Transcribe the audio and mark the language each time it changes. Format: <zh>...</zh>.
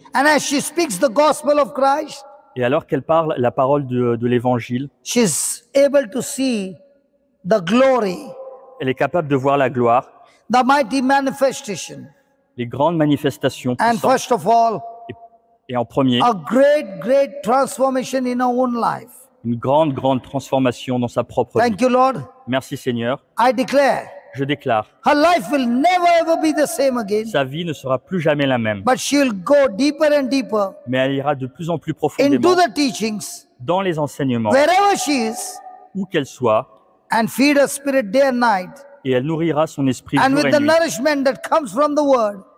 <en>and as she speaks the gospel of Christ,</en> <fr>et alors qu'elle parle la parole de l'évangile</fr> <en>she is able to see the glory,</en> <fr>elle est capable de voir la gloire</fr> <en>the mighty manifestation,</en> <fr>les grandes manifestations</fr> <en>and first of all,</en> <fr>et en premier,</fr> <en>a great, great transformation in our own life.</en> <fr>Une grande, grande transformation dans sa propre</fr> <en>thank</en> <fr>vie.</fr> <en>You, Lord.</en> <fr>Merci, Seigneur.</fr> <en>I declare,</en> <fr>je déclare.</fr> <en>Her life will never, ever be the same again.</en> <fr>Sa vie ne sera plus jamais la même.</fr> <en>But she'll go deeper and deeper.</en> <fr>Mais elle ira de plus en plus profondément.</fr> <en>Into the teachings,</en> <fr>dans les enseignements.</fr> <en>Wherever she is,</en> <fr>où qu'elle soit.</fr> <en>And feed her spirit day and night.</en> <fr>Et elle nourrira son esprit</fr> <en>and</en> <fr>jour</fr> <en>with</en> <fr>et nuit.</fr> <en>The nourishment that comes from the word.</en>